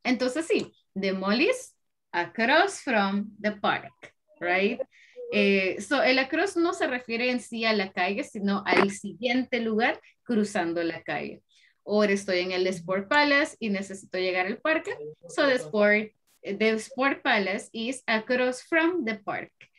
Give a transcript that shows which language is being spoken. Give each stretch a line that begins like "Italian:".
Spanish: Entonces sí,
English: the mall is across from the park, right?
Spanish: So el across no se refiere en sí a la calle, sino al siguiente lugar cruzando la calle. O estoy en el Sport Palace y necesito llegar al parque.
English: So the Sport Palace is across from the park.